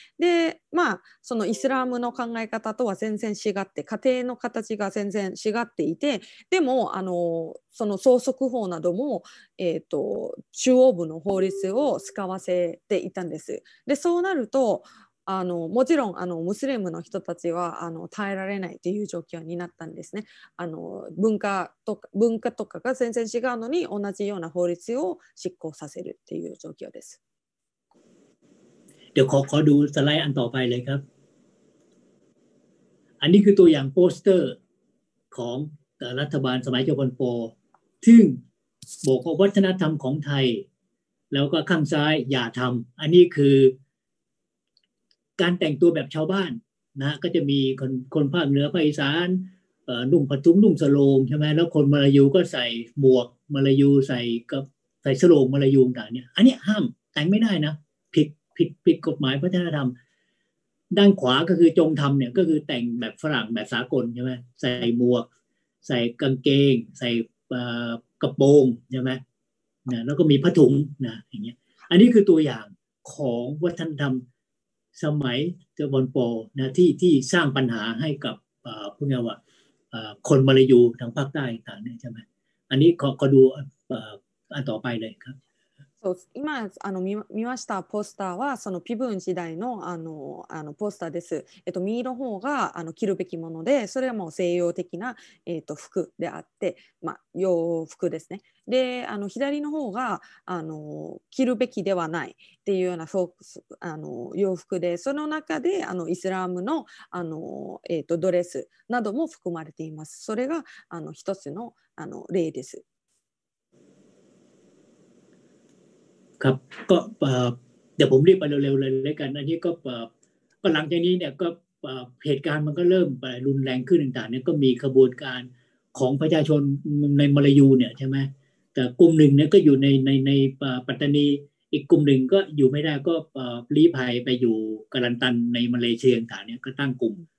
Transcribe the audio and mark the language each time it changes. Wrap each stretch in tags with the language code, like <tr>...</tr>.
<ja>で、まあ、そのイスラムの考え方とは全然違って、家庭の形が全然違っていて、でもあのその相続法なども、中央部の法律を使わせていたんです。でそうなるとあのもちろんあのムスリムの人たちはあの耐えられないという状況になったんですね。あの文化とかが全然違うのに同じような法律を執行させるっていう状況です。</ja> <th>เดี๋ยวขอดูสไลด์อันต่อไปเลยครับ。 อันนี้คือตัวอย่างโปสเตอร์ของรัฐบาลสมัยจอมพลป. ซึ่งบอกวัฒนธรรมของไทยแล้วก็ข้างซ้ายอย่าทำอันนี้คือการแต่งตัวแบบชาวบ้านนะก็จะมีคนภาคเหนือภาคอีสานนุ่งผ้าถุงนุ่งสโลงใช่ไหมแล้วคนมาลายูก็ใส่หมวกมาลายูใส่สโลงมาลายูต่างเนี่ยอันนี้ห้ามแต่งไม่ได้นะ ผิดกฎหมายวัฒนธรรมด้านขวาก็คือจงทำเนี่ยก็คือแต่งแบบฝรั่งแบบสากลใช่ไหมใส่หมวกใส่กางเกงใส่กระโปรงใช่ไหมนะแล้วก็มีผ้าถุงนะอย่างเงี้ยอันนี้คือตัวอย่างของวัฒนธรรมสมัยจอมพลป. นะที่สร้างปัญหาให้กับพวกเนี่ยว่าคนมลายูทางภาคใต้ต่างเนี่ยใช่ไหมอันนี้ขอดูอันต่อไปเลยครับ</th> <ja>so, 今あの見ましたポスターはそのピブン時代のあのポスターです。右の方があの着るべきもので、それはもう西洋的な服であって、まあ洋服ですね。であの左の方があの着るべきではないっていうようなあの洋服で、その中であのイスラム の, あの、ドレスなども含まれています。それがあの一つ の, あの例です。</ja> <th>ครับก็เดี๋ยวผมรีบไปเร็วๆเลยกันอันนี้ก็หลังจากนี้เนี่ยก็เหตุการณ์มันก็เริ่มไปรุนแรงขึ้นต่างๆเนี่ยก็มีขบวนการของประชาชนในมลายูเนี่ยใช่ไหมแต่กลุ่มหนึ่งเนี่ยก็อยู่ในปัตตานีอีกกลุ่มหนึ่งก็อยู่ไม่ได้ก็ลี้ภัยไปอยู่กาลันตันในมาเลเซียต่างเนี่ยก็ตั้งกลุ่ม</th>